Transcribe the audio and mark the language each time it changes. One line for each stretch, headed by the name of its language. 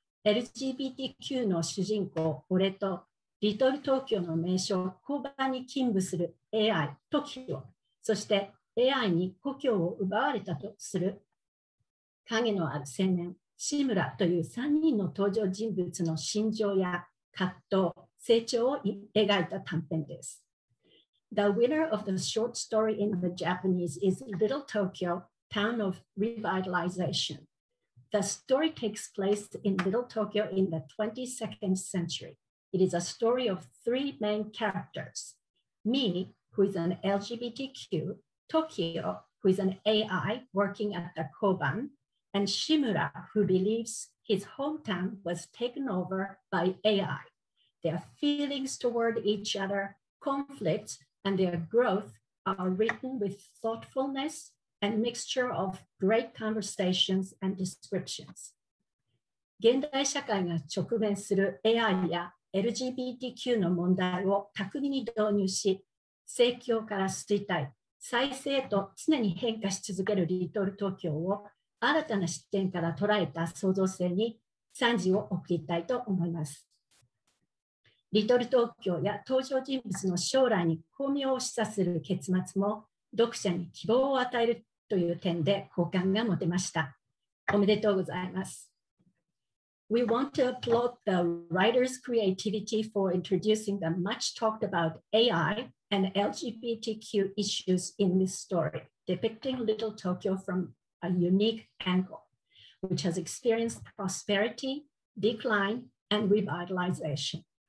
Japanese: LGBTQ の主人公、俺と、リトル東京の名所、コバに勤務する AI、トキオ、そして AI に故郷を奪われたとする影のある青年、志村という3人の登場人物の心情や葛藤、成長を描いた短編です。
English: The winner of the short story in the Japanese is Little Tokyo, Town of Revitalization. The story takes place in Little Tokyo in the 22nd century. It is a story of three main characters. Me, who is an LGBTQ, Tokyo, who is an AI working at the Koban, and Shimura, who believes his hometown was taken over by AI. Their feelings toward each other, conflicts, and their growth are written with thoughtfulness and mixture of great conversations and descriptions.
Japanese: 現代社会が直面する AI や LGBTQ の問題を巧みに導入し、盛況から衰退、再生と常に変化し続けるリトル東京を新たな視点から捉えた創造性に賛辞を送りたいと思います。リトル東京や登場人物の将来に巧妙を示唆する結末も読者に希望を与えるという点で好感が持てました。おめでとうございます。
English: We want to applaud the writer's creativity for introducing the much talked about AI and LGBTQ issues in this story, depicting Little Tokyo from a unique angle, which has experienced prosperity, decline, and revitalization.